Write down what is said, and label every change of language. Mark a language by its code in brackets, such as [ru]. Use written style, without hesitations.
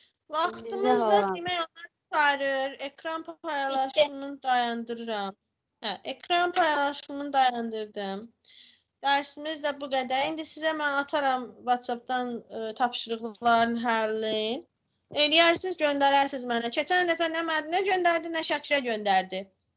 [tr] Vaktimiz de demek onlar çıkarır. [az] Ekran paylaşımını dayandırıram. Ekran paylaşımını dayandırdım. [tr] Dersimiz de bu kadar. [az] İndi [tr] size ben atarım [az] WhatsApp'dan tapşırıqlarını həllin. Eliyarsınız, göndərərsiniz mənə. [tr] Keçen defa ne gönderdi, ne Şakir'e gönderdi.